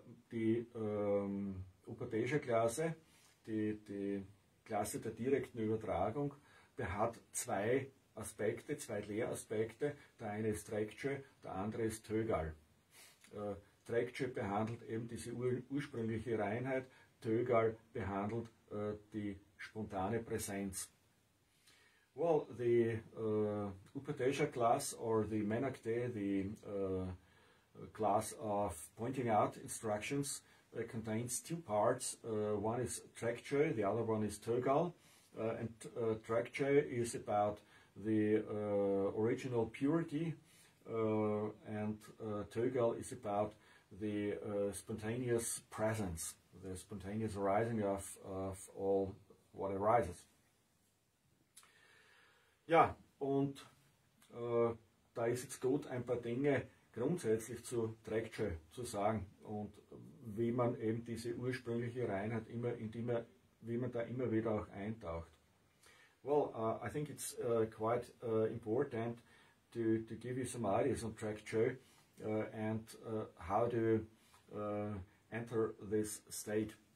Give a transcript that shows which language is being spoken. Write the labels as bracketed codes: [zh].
[de] Die Upadesha-Klasse, die Klasse der direkten Übertragung, der hat zwei Aspekte, zwei Lehraspekte. Der eine ist Dzogchen, der andere ist Tögal. Dzogchen behandelt eben diese ursprüngliche Reinheit, Tögal behandelt die spontane Präsenz. [en] Well, the Upadesha class, or the Menakte, the class of pointing out instructions, contains two parts. One is Dzogchen, the other one is Tögal. And Dzogchen is about the original purity, and Tögal is about the spontaneous presence, the spontaneous arising of all what arises. [de] Ja, und da ist jetzt gut, ein paar Dinge grundsätzlich zu Dzogchen zu sagen und wie man eben diese ursprüngliche Reinheit immer, wie man da immer wieder auch eintaucht. [en] Well, I think it's quite important to give you some ideas on Dzogchen and how to enter this state.